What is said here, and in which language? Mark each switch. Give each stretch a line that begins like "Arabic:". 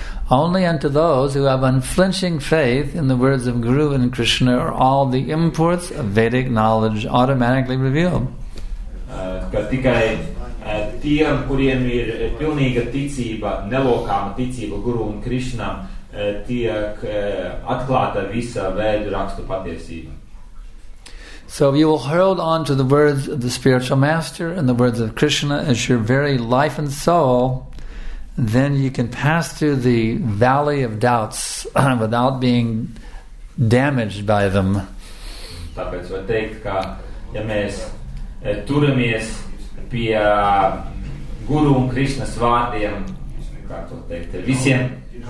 English: Only unto those who have unflinching faith in the words of Guru and Krishna are all the imports of Vedic knowledge automatically revealed.
Latvian: Tiem, kuriem ir pilnīga ticība, nelokāma ticība Guru un Krishna, tiek atklāta visa vēdu rakstu patiesība.
English: So if you will hold on to the words of the spiritual master and the words of Krishna as your very life and soul, then you can pass through the valley of doubts without being damaged by them.
Latvian: Tāpēc var teikt, ka ja mēs turamies pie Guru un Krishnas vārdiem, kā to teikt, visiem.